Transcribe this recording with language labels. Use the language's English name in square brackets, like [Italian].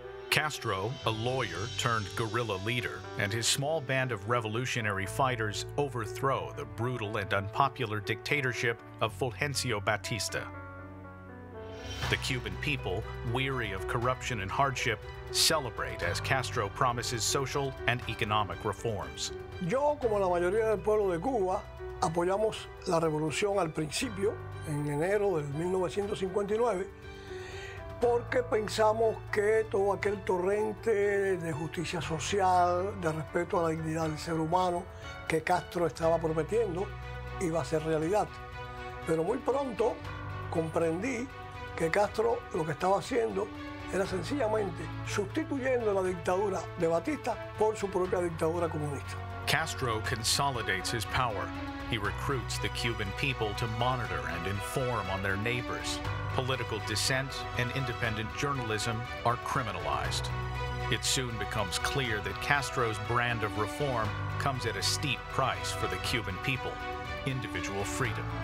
[English] Castro, a lawyer turned guerrilla leader, and his small band of revolutionary fighters overthrow the brutal and unpopular dictatorship of Fulgencio Batista. The Cuban people, weary of corruption and hardship, celebrate as Castro promises social and economic reforms. [Spanish] Yo, como la mayoría del pueblo de Cuba, apoyamos la revolución al principio, en enero del 1959, porque pensamos que todo aquel torrente de justicia social, de respeto a la dignidad del ser humano que Castro estaba prometiendo, iba a ser realidad. Pero muy pronto comprendí que Castro lo que estaba haciendo era sencillamente sustituyendo la dictadura de Batista por su propia dictadura comunista. [English] Castro consolidates his power. He recruits the Cuban people to monitor and inform on their neighbors. Political dissent and independent journalism are criminalized. It soon becomes clear that Castro's brand of reform comes at a steep price for the Cuban people, individual freedom.